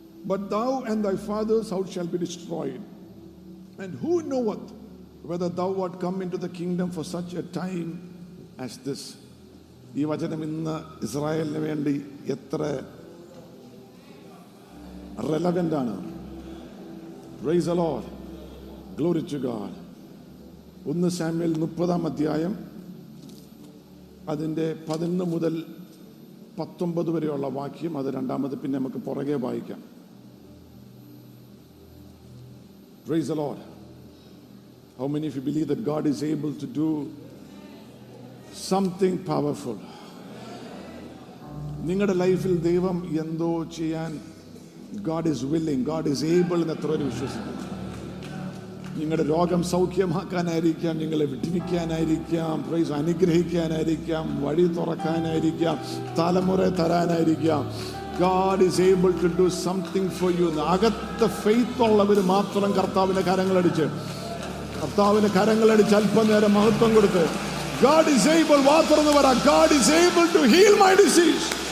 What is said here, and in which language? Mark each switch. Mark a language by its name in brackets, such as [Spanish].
[English] But thou and thy father's house shall be destroyed. And who knoweth whether thou art come into the kingdom for such a time as this? [Malayalam] ഈ വചനം ഇന്ന് ഇസ്രായേലിന് വേണ്ടി എത്ര relevant ആണ്. [English] Praise the Lord. Glory to God. [Malayalam] 1 Samuel 30 അതിൻ്റെ 11-19 വരെയുള്ള വാക്യം, അത് രണ്ടാമത് പിന്നെ നമുക്ക് പുറകെ വായിക്കാം. Praise the Lord. [English] How many of you believe that God is able to do something powerful? [Malayalam] നിങ്ങളുടെ ലൈഫിൽ ദൈവം എന്തോ ചെയ്യാൻ [English] God is willing, God is able [Malayalam] എന്ന് എത്രയോ വിശ്വസിക്കുന്നു. നിങ്ങളുടെ രോഗം സൗഖ്യമാക്കാനായിരിക്കാം, നിങ്ങളെ വിട്ടിരിക്കാനായിരിക്കാം, പ്രൈസ് അനുഗ്രഹിക്കാനായിരിക്കാം, വഴി തുറക്കാനായിരിക്കാം, തലമുറ തരാനായിരിക്കാം. [English] God is able to do something for you. [Malayalam] അകത്തെ ഫെയ്ത്ത് ഉള്ളവർ മാത്രം കർത്താവിൻ്റെ കരങ്ങളടിച്ച് അല്പനേരം മഹത്വം കൊടുത്ത് [English] God is able, [Malayalam] വാത്രം പറയാം, [English] God is able to heal my disease.